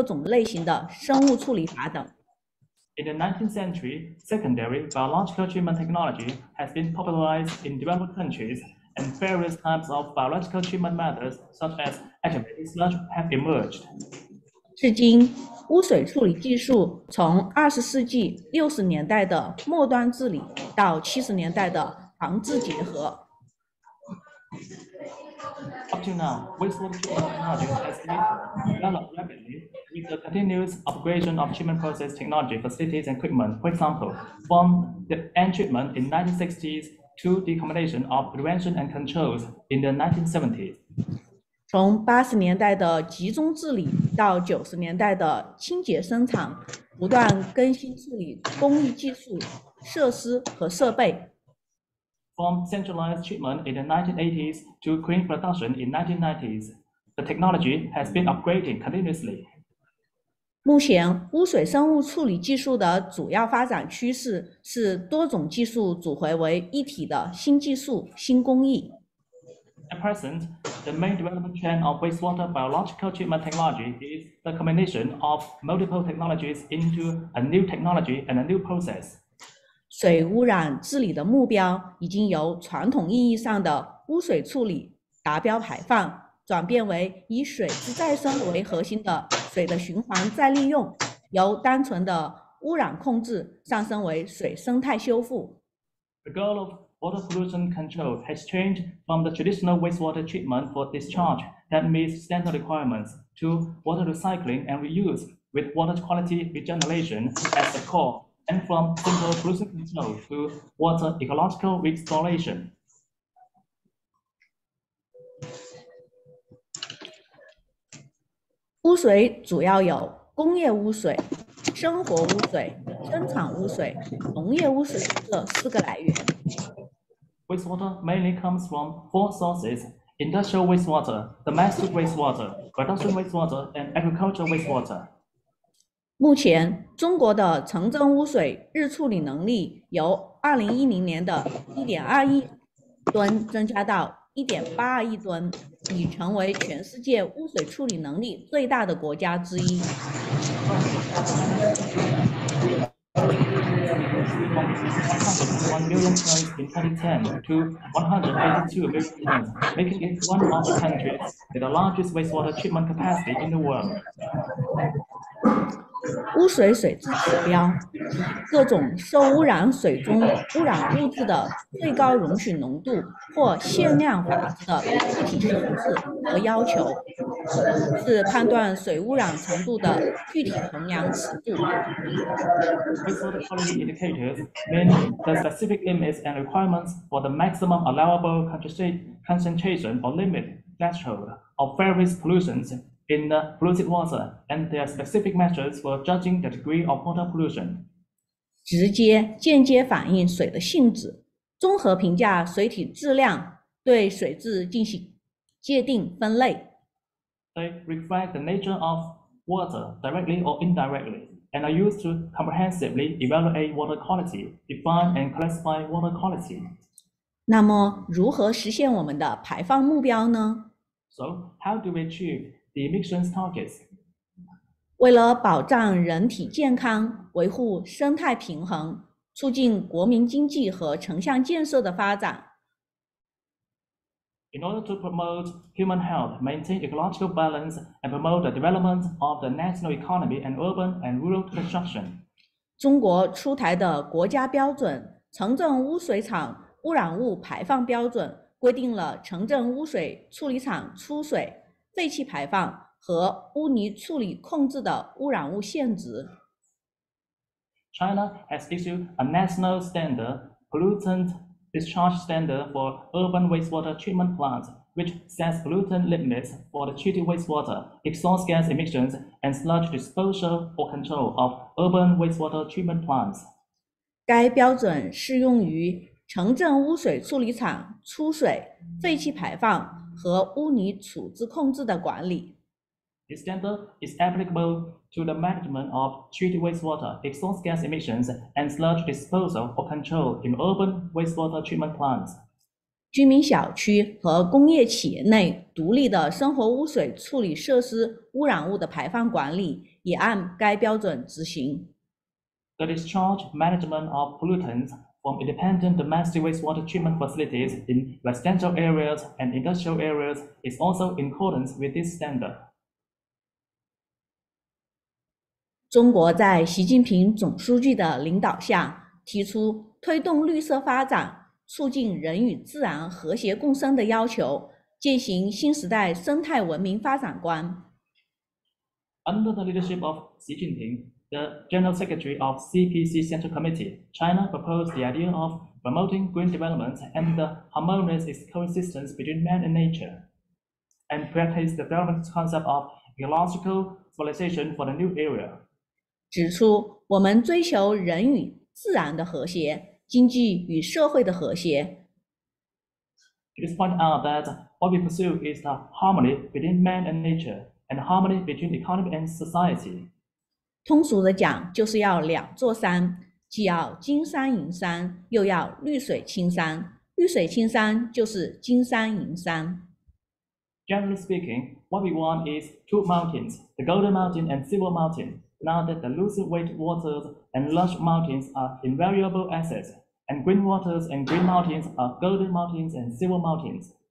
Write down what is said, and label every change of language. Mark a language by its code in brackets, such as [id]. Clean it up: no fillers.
[zh] 19世纪，发达国家已经普及二级生物处理技术，先后出现了活性污泥等各种类型的生物处理法等。 [en] In the 19th century, secondary biological treatment technology has been popularized in developed countries, and various types of biological treatment methods, such as atomic sludge, have emerged. [zh] 至今，污水处理技术从20世纪60年代的末端治理到70年代的防治结合。 [en] up to now, wastewater treatment technology has been developed rapidly with the continuous upgrade of treatment process technology, facilities, and equipment. For example, from the end treatment in 1960s to decontamination of prevention and controls in the 1970s. [zh] 从80年代的集中治理到90年代的清洁生产，不断更新治理工艺技术、设施和设备。 [en] From centralized treatment in the 1980s to clean production in 1990s, the technology has been upgrading continuously. [zh] 目前，污水生物处理技术的主要发展趋势是多种技术组合为一体的新技术、新工艺。 [en] At present, the main development trend of wastewater biological treatment technology is the combination of multiple technologies into a new technology and a new process. [zh] 水污染治理的目标已经由传统意义上的污水处理达标排放，转变为以水之再生为核心的水的循环再利用，由单纯的污染控制上升为水生态修复。 [en] The goal of water pollution control has changed from the traditional wastewater treatment for discharge that meets standard requirements to water recycling and reuse with water quality regeneration at the core, and from simple pollution control to water ecological restoration. [zh] 污水主要有工业污水、生活污水、生产污水、农业污水这四个来源。 [en] Wastewater mainly comes from four sources: industrial wastewater, domestic wastewater, production wastewater, and agricultural wastewater. [zh] 目前，中国的城镇污水日处理能力由2010年的 1.2 亿吨增加到 1.82 亿吨，已成为全世界污水处理能力最大的国家之一。 [en] 1 million tons in 2010 to 182 million tons, making it one of the countries with the largest wastewater treatment capacity in the world. [zh] 污水水质指标，各种受污染水中污染物质的最高容许浓度或限量法的具体形式和要求，是判断水污染程度的具体衡量尺度。 [en] Wastewater quality indicators mean the specific limits and requirements for the maximum allowable concentration or limit threshold of various pollutions. In the polluted water, and their specific measures for judging the degree of water pollution. [zh] 直接、间接反映水的性质，综合评价水体质量，对水质进行界定分类。 [en] They reflect the nature of water directly or indirectly, and are used to comprehensively evaluate water quality, define and classify water quality. [zh] 那么，如何实现我们的排放目标呢？ [en] So, how do we achieve? The emissions targets. [zh] 为了保障人体健康，维护生态平衡，促进国民经济和城乡建设的发展。 [en] In order to promote human health, maintain ecological balance, and promote the development of the national economy and urban and rural construction. [zh] 中国出台的国家标准《城镇污水厂污染物排放标准》规定了城镇污水处理厂出水。废气排放和污泥处理控制的污染物限值。 [en] China has issued a national standard pollutant discharge standard for urban wastewater treatment plants, which sets pollutant limits for the treated wastewater, exhaust gas emissions, and sludge disposal or control of urban wastewater treatment plants. [zh] 该标准适用于城镇污水处理厂出水、废气排放。和污泥处置控制的管理。 [en] This standard is applicable to the management of treated wastewater, exhaust gas emissions, and sludge disposal or control in urban wastewater treatment plants. [zh] 居民小区和工业企业内独立的生活污水处理设施污染物的排放管理也按该标准执行。 [en] The discharge management of pollutants. From independent domestic wastewater treatment facilities in residential areas and industrial areas is also in accordance with this standard. [zh] 中国在习近平总书记的领导下提出推动绿色发展、促进人与自然和谐共生的要求，践行新时代生态文明发展观。 [en] Under the leadership of Xi Jinping, the General Secretary of CPC Central Committee, China proposed the idea of promoting green development and the harmonious coexistence between man and nature, and practiced the development concept of ecological civilization for the new era. [zh] 指出，我们追求人与自然的和谐，经济与社会的和谐。 [en] It is pointed out that what we pursue is the harmony between man and nature. And harmony between economy and society. [zh] 通俗的讲，就是要两座山，既要金山银山，又要绿水青山。绿水青山就是金山银山。 [en] Generally speaking, what we want is two mountains, the Golden Mountain and Silver Mountain. Now that the lucid wastewaters and lush mountains are invaluable assets, and green waters and green mountains are Golden Mountains and Silver Mountains.